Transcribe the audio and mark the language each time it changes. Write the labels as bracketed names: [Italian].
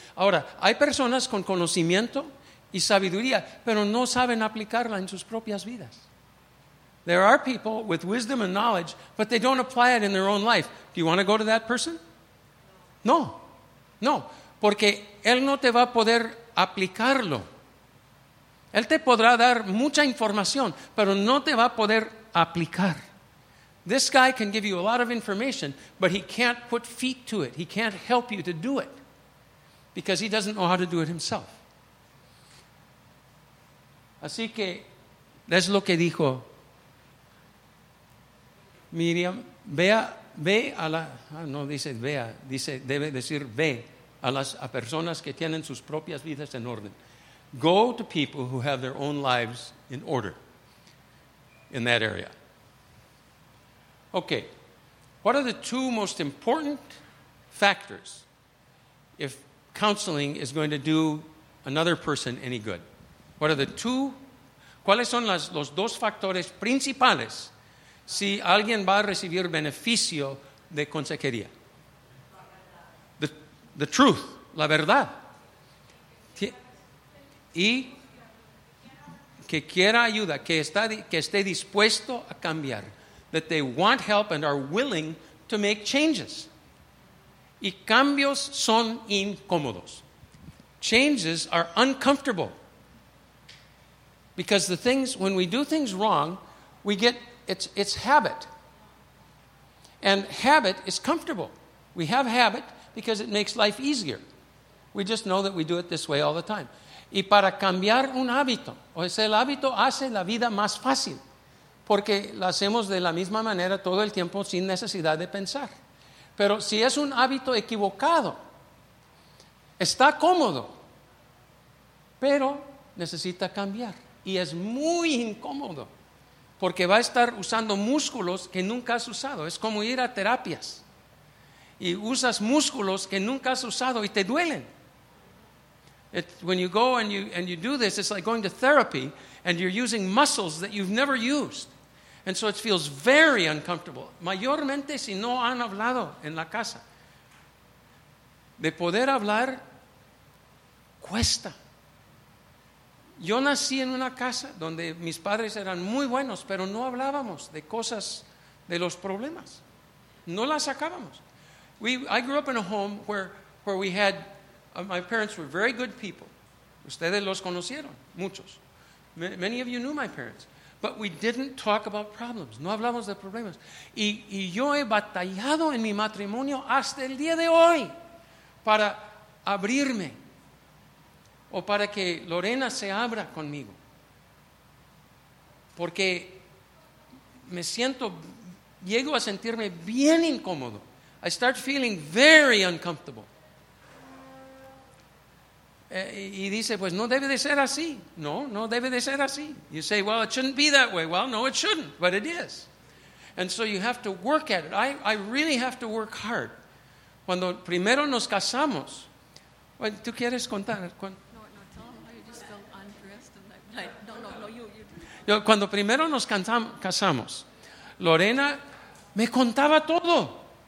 [Spanish] Ahora, hay personas con conocimiento y sabiduría, pero no saben aplicarla en sus propias vidas. [English] There are people with wisdom and knowledge, but they don't apply it in their own life. Do you want to go to that person? No. [Spanish] No, porque él no te va a poder aplicarlo. Él te podrá dar mucha información, pero no te va a poder aplicar. [English] This guy can give you a lot of information, but he can't put feet to it. He can't help you to do it because he doesn't know how to do it himself. [Spanish] Así que, es lo que dijo Miriam. Ve a la... no dice vea, dice debe decir ve. A personas que tienen sus propias vidas en orden. [English] Go to people who have their own lives in order in that area. Okay, what are the two most important factors if counseling is going to do another person any good? What are the two? [Spanish] ¿Cuáles son los dos factores principales si alguien va a recibir beneficio de consejería? [English] The truth, [Spanish] la verdad. Y que quiera ayuda, que esté dispuesto a cambiar. [English] That they want help and are willing to make changes. [Spanish] Y cambios son incómodos. [English] Changes are uncomfortable. Because when we do things wrong, we get, it's habit. And habit is comfortable. We have habit because it makes life easier. We just know that we do it this way all the time. [Spanish] Y para cambiar un hábito, o sea, el hábito hace la vida más fácil, porque la hacemos de la misma manera todo el tiempo sin necesidad de pensar. Pero si es un hábito equivocado, está cómodo, pero necesita cambiar. Y es muy incómodo, porque va a estar usando músculos que nunca has usado. Es como ir a terapias y usas músculos que nunca has usado y te duelen. [English] When you go and you do this, it's like going to therapy and you're using muscles that you've never used. And so it feels very uncomfortable. [Spanish] Mayormente si no han hablado en la casa. De poder hablar, cuesta. Yo nací en una casa donde mis padres eran muy buenos, pero no hablábamos de cosas, de los problemas. No las sacábamos. [English] I grew up in a home where we had, my parents were very good people. [Spanish] Ustedes los conocieron, muchos. [English] Many of you knew my parents. But we didn't talk about problems. [Spanish] No hablamos de problemas. Y yo he batallado en mi matrimonio hasta el día de hoy para abrirme o para que Lorena se abra conmigo. Porque me siento, llego a sentirme bien incómodo. [English] I start feeling very uncomfortable. [Spanish] Y dice, pues no debe de ser así. No, no debe de ser así. [English] You say, well, it shouldn't be that way. Well, no, it shouldn't, but it is. And so you have to work at it. I really have to work hard. [Spanish] Cuando primero nos casamos, well, ¿tú quieres contar? [English] No, you just felt undressed. [Spanish] Cuando primero nos casamos, Lorena me contaba todo.